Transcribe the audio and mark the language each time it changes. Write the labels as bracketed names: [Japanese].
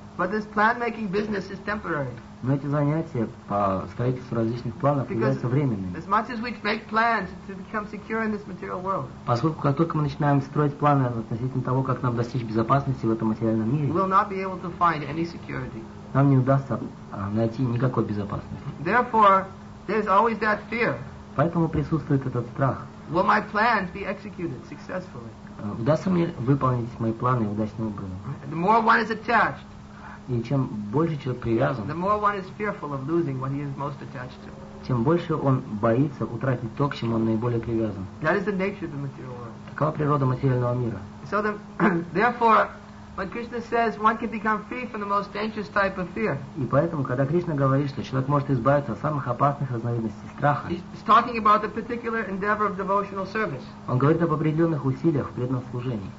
[English] But this plan-making business is temporary. [Russian] Но эти занятия по строительству различных планов являются временными. [English] As much as we make plans to become secure in this material world. [Russian] Поскольку как только мы начинаем строить планы относительно того, как нам достичь безопасности в этом материальном мире, [English] we will not be able to find any security. [Russian] Нам не удастся найти никакой безопасности. [English] Therefore, there is always that fear. [Russian] Поэтому присутствует этот страх. [English] Will my plans be executed successfully? [Russian] Удастся мне выполнить мои планы удачным образом? [English] The more one is attached. [Russian] И чем больше человек привязан, [English] the more one is fearful of losing what he is most attached to. [Russian] Тем больше он боится утратить то, к чему он наиболее привязан. [English] That is the nature of the material world. [Russian] Такова природа материального мира. [English] So then, therefore, when Krishna says one can become free from the most dangerous type of fear. [Russian] И поэтому, когда Кришна говорит, что человек может избавиться от самых опасных разновидностей страха, [English] he's talking about the particular endeavor of devotional service. [Russian] Он говорит об определенных усилиях в преданном служении.